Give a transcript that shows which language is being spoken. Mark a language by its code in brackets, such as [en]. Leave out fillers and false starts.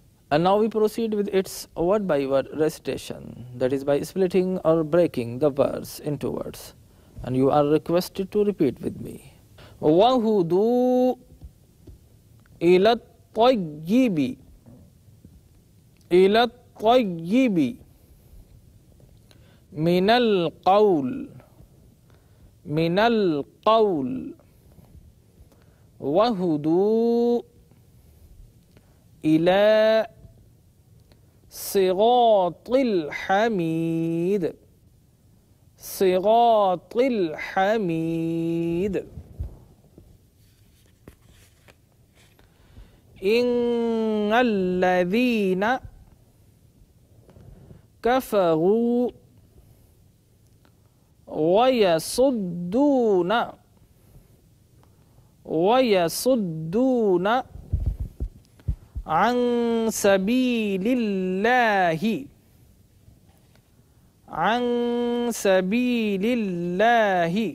[en] And now we proceed with its word-by-word recitation, that is by splitting or breaking the verse into words. And you are requested to repeat with me. [ar] وَهُدُوا إِلَى الطَّيِّبِ إِلَى الطَّيِّبِ مِنَ الْقَوْلِ مِنَ الْقَوْلِ وَهُدُوا إِلَى صراط الحميد صراط الحميد إن الذين كفروا وَيَصُدُّونَ وَيَصُدُّونَ عَنْ سَبِيلِ اللَّهِ عَنْ سَبِيلِ اللَّهِ